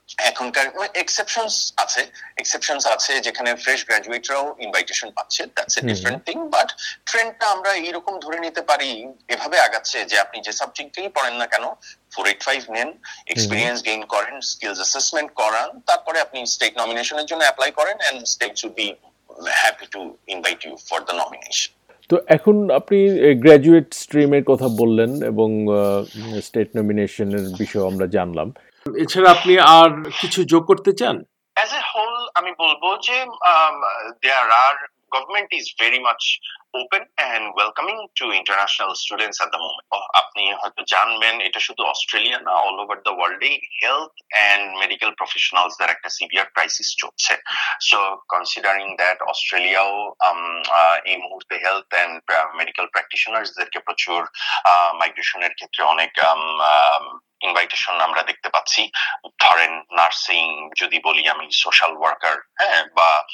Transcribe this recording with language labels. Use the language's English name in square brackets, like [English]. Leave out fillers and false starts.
[Bangla] এখনকার এক্সেপশনস আছে যেখানে ফ্রেশ গ্রাজুয়েটরাও ইনভাইটেশন পাচ্ছে, [English] that's a different thing, [Bangla] but ট্রেন্ডটা আমরা এইরকম ধরে নিতে পারি, এভাবে আগাচ্ছে যে আপনি যে সাবজেক্টেই পড়েন না কেন 485 নেন, এক্সপিরিয়েন্স গেইন করেন, স্কিলস অ্যাসেসমেন্ট করান, তারপরে আপনি স্টেট নমিনেশনের জন্য অ্যাপ্লাই করেন, [English] And state should be happy to invite you for the nomination. [Bangla] তো এখন আপনি গ্রাজুয়েট স্ট্রিমের কথা বললেন এবং স্টেট নমিনেশনের বিষয় আমরা জানলাম, এছাড়া আপনি আর কিছু যোগ করতে চান? [English] As a whole, [Bangla] আমি বলবো যে [English] there are government is very much open and welcoming to international students at the moment. [Bangla] আপনি হয়তো জানবেন এটা শুধু অস্ট্রেলিয়া না, [English] all over the world health and medical professionals [Bangla] দের একটা [English] severe crisis [Bangla] চলছে. [English] So considering that [Bangla] Australia এই মুহূর্তে [English] health and medical practitioners [Bangla] দেরকে প্রচুর migrationের ক্ষেত্রে অনেক ইনভাইটেশন আমরা দেখতে পাচ্ছি, ধরেন নার্সিং যদি বলি আমি, সোশ্যাল ওয়ার্কার, হ্যাঁ, বা